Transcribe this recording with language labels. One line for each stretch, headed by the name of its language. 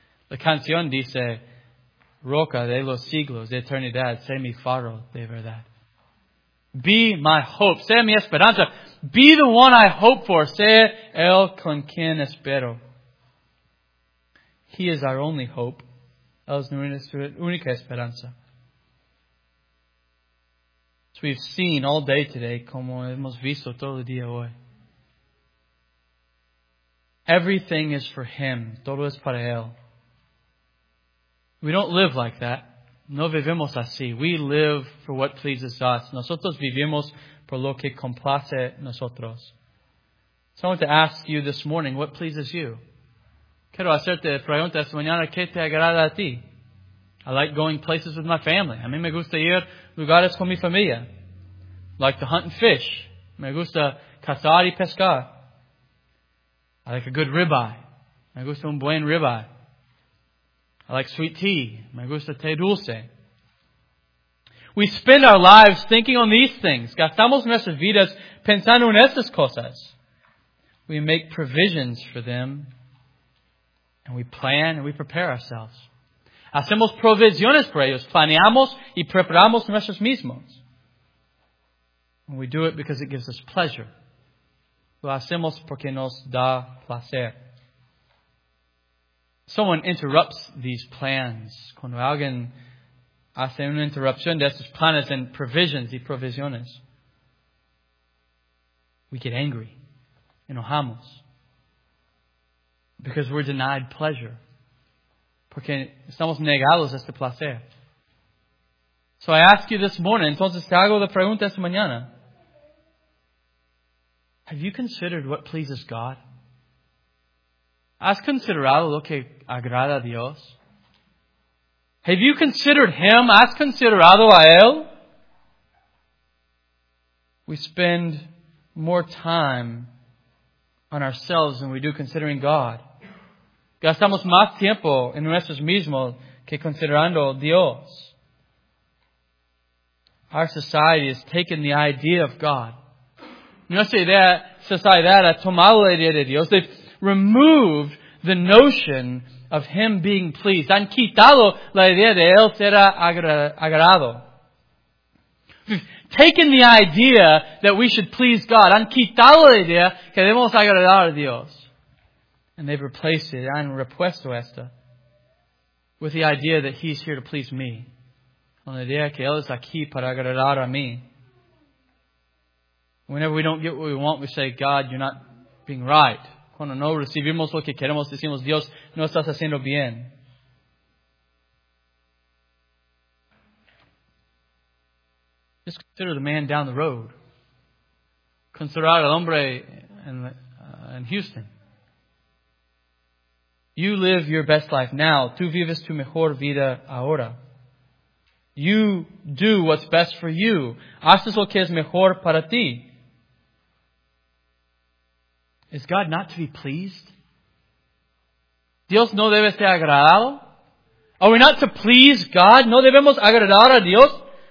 Spanish: La canción dice, Roca de los siglos de eternidad. Sé mi faro de verdad.
English: Be my hope.
Spanish: Sé mi esperanza.
English: Be the one I hope for.
Spanish: Sé el con quien espero.
English: He is our only hope.
Spanish: Él es nuestra única esperanza.
English: As we've seen all day today,
Spanish: como hemos visto todo el día hoy.
English: Everything is for Him.
Spanish: Todo es para Él.
English: We don't live like that.
Spanish: No vivimos así.
English: We live for what pleases us.
Spanish: Nosotros vivimos por lo que complace nosotros.
English: So I want to ask you this morning, what pleases you?
Spanish: Quiero hacerte pregunta esta mañana, ¿qué te agrada a ti?
English: I like going places with my family.
Spanish: A mí me gusta ir lugares con mi familia.
English: I like to hunt and fish.
Spanish: Me gusta cazar y pescar.
English: I like a good ribeye.
Spanish: Me gusta un buen ribeye.
English: I like sweet tea.
Spanish: Me gusta té dulce.
English: We spend our lives thinking on these things.
Spanish: Gastamos nuestras vidas pensando en estas cosas.
English: We make provisions for them. And we plan and we prepare ourselves.
Spanish: Hacemos provisiones para ellos. Planeamos y preparamos nuestros mismos.
English: And we do it because it gives us pleasure.
Spanish: Lo hacemos porque nos da placer.
English: Someone interrupts these plans.
Spanish: Cuando alguien hace una interrupción de estos planes
English: and provisions
Spanish: y provisiones,
English: we get angry.
Spanish: Enojamos.
English: Because we're denied pleasure.
Spanish: Porque estamos negados este placer.
English: So I ask you this morning,
Spanish: entonces te hago la pregunta esta mañana.
English: Have you considered what pleases God?
Spanish: ¿Has considerado lo que agrada a Dios?
English: Have you considered Him?
Spanish: ¿Has considerado a Él?
English: We spend more time on ourselves than we do considering God. Gastamos más tiempo en nosotros mismos que considerando Dios. Our society has taken the idea of God.
Spanish: Nuestra idea, sociedad, ha tomado la idea de Dios.
English: They've removed the notion of Him being pleased.
Spanish: Han quitado la idea de Él ser agrado.
English: Taken the idea that we should please God.
Spanish: Han quitado la idea que debemos agradar a Dios.
English: And they've replaced it,
Spanish: han repuesto esta,
English: with the idea that He's here to please me.
Spanish: Con la idea que Él es aquí para agradar a mí.
English: Whenever we don't get what we want, we say, God, you're not being right.
Spanish: Cuando no recibimos lo que queremos, decimos, Dios, no estás haciendo bien.
English: Just consider the man down the road.
Spanish: Considerar al hombre
English: in Houston. You live your best life now.
Spanish: Tú vives tu mejor vida ahora.
English: You do what's best for you.
Spanish: Haces lo que es mejor para ti.
English: Is God not to be pleased?
Spanish: ¿Dios no debe ser agradado?
English: Are we not to please God?
Spanish: ¿No debemos agradar a Dios?